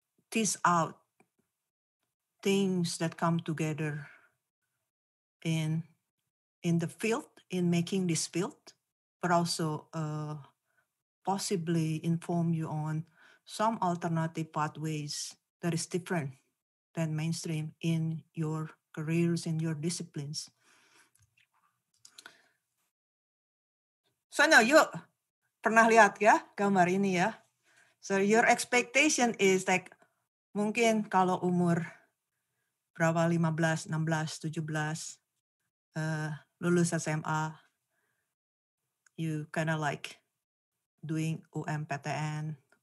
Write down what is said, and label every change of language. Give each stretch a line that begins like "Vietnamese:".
English: tease out things that come together in the field, in making this field, but also possibly inform you on some alternative pathways that is different than mainstream in your careers, in your disciplines. So now you
Indonesian: pernah lihat ya gambar ini ya.
English: So your expectation is like
Indonesian: mungkin kalau umur berapa 15, 16, 17 lulus SMA,
English: you kind of like doing UMPTN.